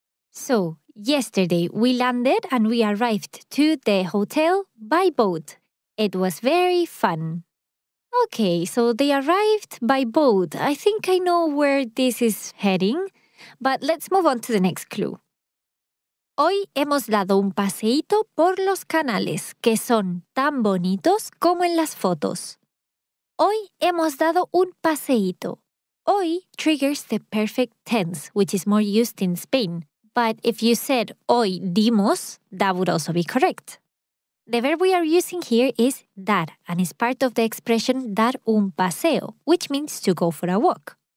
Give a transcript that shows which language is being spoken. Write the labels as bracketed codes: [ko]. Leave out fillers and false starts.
[en] So, yesterday we landed and we arrived to the hotel by boat. It was very fun. Okay, so they arrived by boat. I think I know where this is heading, but let's move on to the next clue. [es] Hoy hemos dado un paseíto por los canales, que son tan bonitos como en las fotos. Hoy hemos dado un paseíto. [en] Hoy triggers the perfect tense, which is more used in Spain. But if you said [es] hoy dimos, [en] that would also be correct. The verb we are using here is dar, and is part of the expression dar un paseo, which means to go for a walk.